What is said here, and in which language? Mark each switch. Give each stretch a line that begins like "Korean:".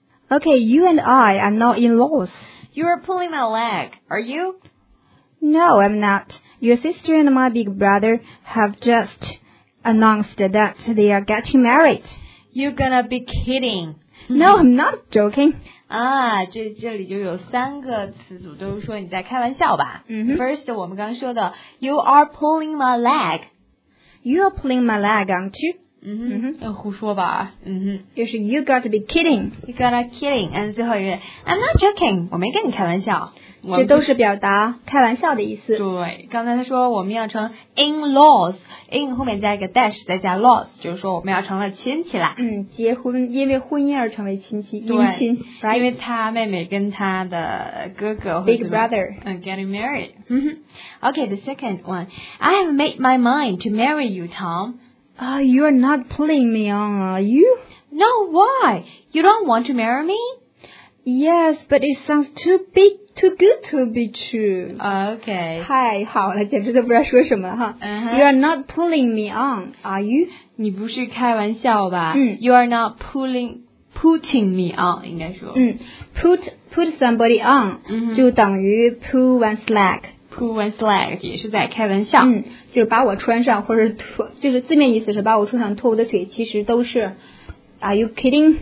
English: Okay, you and I are not in laws. You are pulling my leg. Are you? No, I'm not. Your sister and my big brother have just announced that they are getting married. You're gonna be kidding. No, I'm not joking.
Chinese: 啊，这里就有三个词组，都是说你在开玩笑吧。 Mm-hmm.
English: First,
Chinese: 我们刚说的
English: ，You are pulling my leg. You are pulling my leg, aren't you?
Chinese: 嗯哼，胡说吧。嗯哼，就是
English: You got to be kidding. You got to be kidding.
Chinese: 嗯，最后一个
English: ，I'm not joking.
Chinese: 我没跟你开玩笑。这都是表达开玩笑的意思。对，刚才他说我们要成 in laws， in 后面加一个 dash， 再加 laws， 就是说我们要成了亲戚了。嗯，结婚因为婚姻而成为亲戚，姻亲。
English: Right?
Chinese: 因为他妹妹跟他的哥哥
English: big brother， getting married。 Okay, the second one. I have made my mind to marry you, Tom. You are not pulling me on, are you? No, why? You don't want to marry me? Yes, but it sounds too big, too good to be true. Okay.
Chinese: 太好了，简直都不知道说什么了哈。 Uh-huh.
English: You are not pulling me on, are you?
Chinese: 你不是开玩笑吧？嗯。
English: You are not putting me on,
Chinese: 应该说。
English: 嗯。Put somebody on,、嗯、
Chinese: 就等于
English: pull one's leg. Pull one's leg, 也是在开玩笑。
Chinese: 嗯。就是把我穿上或者脱，就是字面意思是把我穿上脱我的腿，其实都是
English: Are you kidding?